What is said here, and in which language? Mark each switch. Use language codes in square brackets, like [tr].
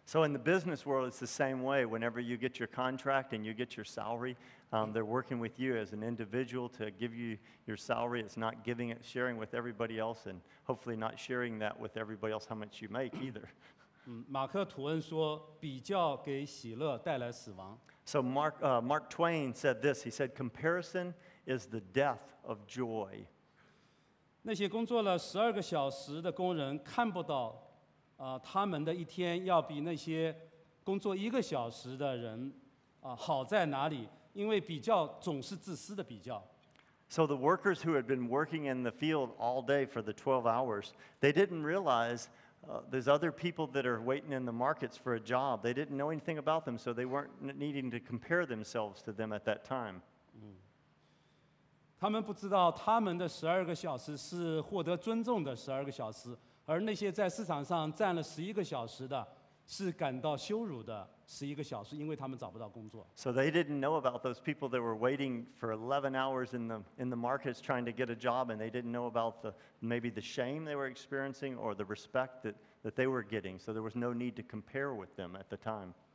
[en] So in the business world, it's the same way. Whenever you get your contract and you get your salary, they're working with you as an individual to give you your salary. It's not giving it, sharing with everybody else, and hopefully not sharing that with everybody else how much you make either. [zh] 马克吐温说，比较给喜乐带来死亡。 [en] So Mark Twain said this. He said, "Comparison is the death of joy." [zh] 那些工作了十二个小时的工人看不到。他们的一天要比那些工作一个小时的人好在哪里？因为比较总是自私的比较。 [en] So the workers who had been working in the field all day for the 12 hours, they didn't realize there's other people that are waiting in the markets for a job. They didn't know anything about them, so they weren't needing to compare themselves to them at that time. [zh] 他们不知道他们的12个小时是获得尊重的12个小时, 而那些在市场上站了11个小时的是感到羞辱的11个小时, 因为他们找不到工作。 [en] So they didn't know about those people that were waiting for 11 hours in the markets trying to get a job, and they didn't know about maybe the shame they were experiencing or the respect that they were getting. So there was no need to compare with them at the time.